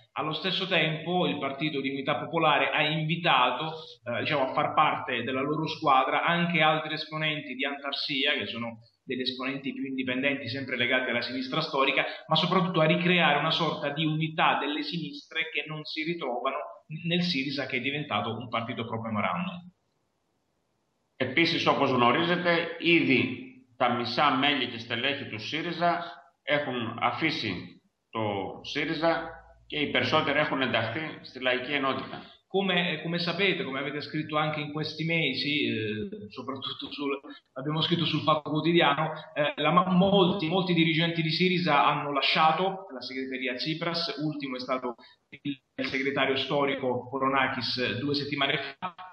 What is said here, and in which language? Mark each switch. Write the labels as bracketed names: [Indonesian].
[Italian] Allo stesso tempo il Partito di Unità Popolare ha invitato diciamo, a far parte della loro squadra anche altri esponenti di Antarsia, che sono degli esponenti più indipendenti, sempre legati alla sinistra storica, ma soprattutto a ricreare una sorta di unità delle sinistre che non si ritrovano nel Sirisa, che è diventato un partito proprio memorandum. [Greek] Επίσης, όπως γνωρίζετε, ήδη τα μισά μέλη και στελέχη του ΣΥΡΙΖΑ έχουν αφήσει το ΣΥΡΙΖΑ και οι περισσότεροι έχουν ενταχθεί στη Λαϊκή Ενότητα. [Italian] Come sapete, come avete scritto anche in questi mesi, soprattutto abbiamo scritto sul Fatto Quotidiano, molti dirigenti di Sirisa hanno lasciato la segreteria Tsipras, ultimo è stato il segretario storico Koronakis due settimane fa.